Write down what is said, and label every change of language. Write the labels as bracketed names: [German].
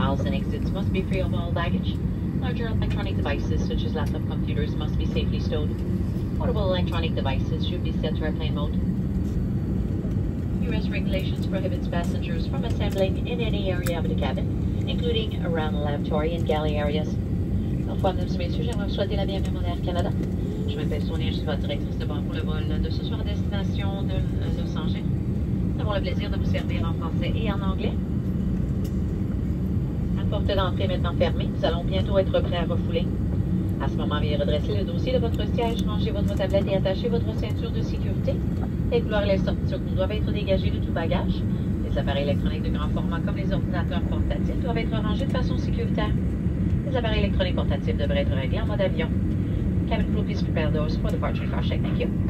[English] Aisles and exits must be free of all baggage. Larger electronic devices, such as laptop computers, must be safely stowed. Portable electronic devices should be set to airplane mode. U.S. regulations prohibit passengers from assembling in any area of the cabin, including around the lavatory and galley areas. [French] Bonjour, mesdames et messieurs, j'aimerais vous souhaiter la bienvenue à Air Canada. Je m'appelle Sonia, je suis votre directrice de bord pour le vol de ce soir à destination de Los Angeles. Nous avons le plaisir de vous servir en français et en anglais. La porte d'entrée est maintenant fermée. Nous allons bientôt être prêts à refouler. À ce moment, veuillez redresser le dossier de votre siège, ranger votre tablette et attacher votre ceinture de sécurité. Écouler les sorties doivent être dégagées de tout bagage. Les appareils électroniques de grand format comme les ordinateurs portatifs doivent être rangés de façon sécuritaire. Les appareils électroniques portatifs devraient être réglés en mode avion. [English] Cabin crew, please prepare those for departure car check. Thank you.